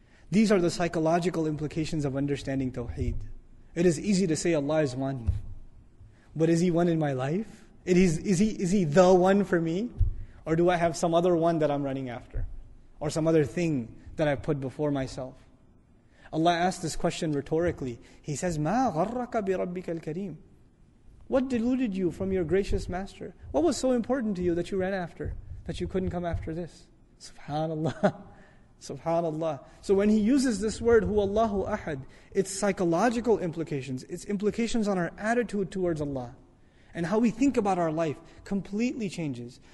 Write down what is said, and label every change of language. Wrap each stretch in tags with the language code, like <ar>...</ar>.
<en>These are the psychological implications of understanding Tawheed. It is easy to say Allah is one. But is He one in my life? Is He the one for me? Or do I have some other one that I'm running after? Or some other thing that I've put before myself? Allah asked this question rhetorically. He says,</en> <ar>مَا غَرَّكَ بِرَبِّكَ الْكَرِيمِ.</ar> <en>What deluded you from your gracious master? What was so important to you that you ran after, that you couldn't come after this? SubhanAllah. SubhanAllah. So when he uses this word,</en> <ar>هُوَ اللَّهُ أَحَدٍ,</ar> <en>it's psychological implications. It's implications on our attitude towards Allah. And how we think about our life completely changes.</en>